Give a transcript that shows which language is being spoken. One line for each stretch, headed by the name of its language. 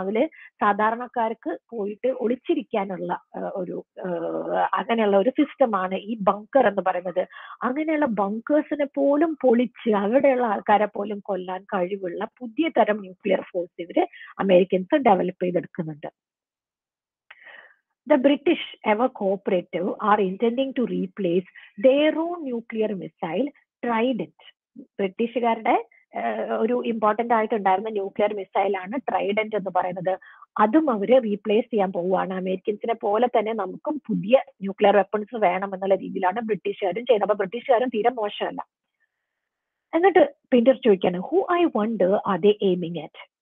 Malayalam: അതില് സാധാരണക്കാർക്ക് പോയിട്ട് ഒളിച്ചിരിക്കാനുള്ള ഒരു അങ്ങനെയുള്ള ഒരു സിസ്റ്റമാണ് ഈ ബങ്കർ എന്ന് പറയുന്നത്. അങ്ങനെയുള്ള ബങ്കേഴ്സിനെ പോലും പൊളിച്ച് അവിടെയുള്ള ആൾക്കാരെ പോലും കൊല്ലാൻ കഴിവുള്ള പുതിയ തരം ന്യൂക്ലിയർ ഫോഴ്സ് ഇവര് അമേരിക്കൻസ് ഡെവലപ്പ് ചെയ്തെടുക്കുന്നുണ്ട്.
English: The British ever-cooperative are intending to replace their own nuclear missile, Trident.
Malayalam: ബ്രിട്ടീഷുകാരുടെ ഒരു ഇമ്പോർട്ടൻ്റ് ആയിട്ടുണ്ടായിരുന്ന ന്യൂക്ലിയർ മിസൈലാണ് ട്രൈഡൻറ്റ് എന്ന് പറയുന്നത്. അതും അവർ റീപ്ലേസ് ചെയ്യാൻ പോവുകയാണ്. അമേരിക്കൻസിനെ പോലെ തന്നെ നമുക്കും പുതിയ ന്യൂക്ലിയർ വെപ്പൺസ് വേണം എന്നുള്ള രീതിയിലാണ് ബ്രിട്ടീഷുകാരും ചെയ്യുന്നത്. അപ്പോൾ ബ്രിട്ടീഷുകാരും തീരെ മോശമല്ല. എന്നിട്ട് പിന്റർ ചോദിക്കുകയാണ്,
English: Who I wonder are they aiming at?